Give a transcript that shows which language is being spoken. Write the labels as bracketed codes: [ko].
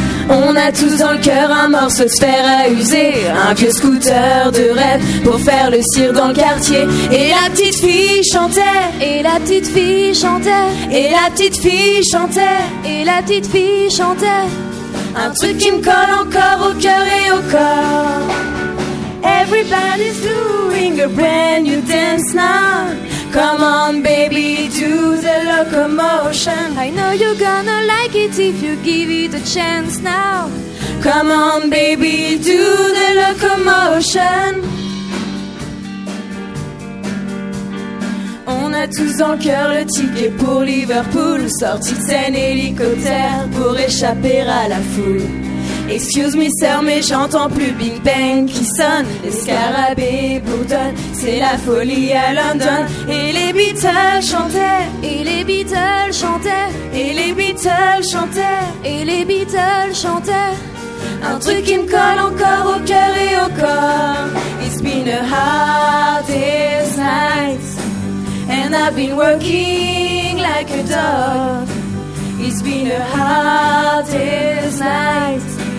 [fr] On a tous dans le cœur un morceau de sphère à user, un vieux scooter de rêve pour faire le cire dans le quartier. Et la petite fille chantait, et la petite fille chantait, et la petite fille chantait, et la petite fille chantait. Un truc qui me colle encore au cœur et au corps. [en] Everybody's doing a brand new dance now. Come on baby, do the locomotion. I know you're gonna like it if you give it a chance now. Come on baby, do the locomotion. [fr] On a tous en cœur le ticket pour Liverpool, sortie de scène hélicoptère pour échapper à la foule. [en] Excuse me sir, [fr] mais j'entends plus Big Bang qui sonne. Les scarabées bourdonnent, c'est la folie à London. Et les Beatles chantaient, et les Beatles chantaient, et les Beatles chantaient, et les Beatles chantaient. Un truc qui me colle encore au cœur et au corps. [en] It's been a hard day's night and I've been working like a dog. It's been a hard day's night.